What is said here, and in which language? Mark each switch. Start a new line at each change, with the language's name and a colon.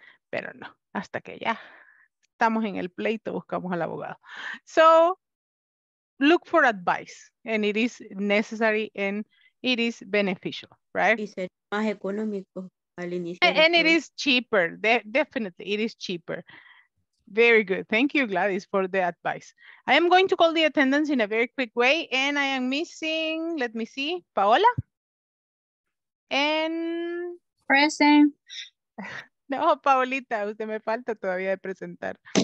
Spanish: Pero no, hasta que ya estamos en el pleito, buscamos al abogado.
English: So, look for advice, and it is necessary, and it is beneficial, right?
Spanish: Y ser más económico al inicio.
English: And it is cheaper, definitely, it is cheaper. Very good. Thank you, Gladys, for the advice. I am going to call the attendance in a very quick way, and I am missing, let me see, Paola? And... Present.
Spanish: No, Paolita, usted me falta todavía de presentar.